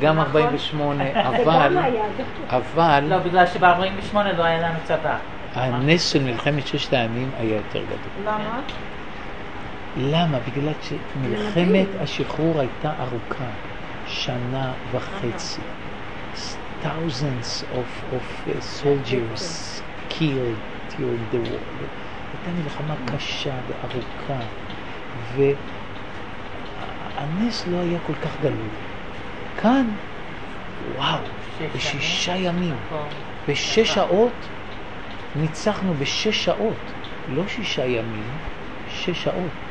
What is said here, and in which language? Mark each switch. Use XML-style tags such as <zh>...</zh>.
<he>גם 48, אבל... לא, בגלל שב-48 לא היה לנו צבא. הנס של מלחמת ששת הימים היה יותר גדול. למה? בגלל שמלחמת השחרור הייתה ארוכה, שנה וחצי.</he> <en>Thousands of soldiers killed during the war.</en> <he>הייתה מלחמה קשה וארוכה, והנס לא היה כל כך גלוי. כאן, וואו, בשישה ימים, בשש שעות, ניצחנו בשש שעות, לא שישה ימים, שש שעות.</he>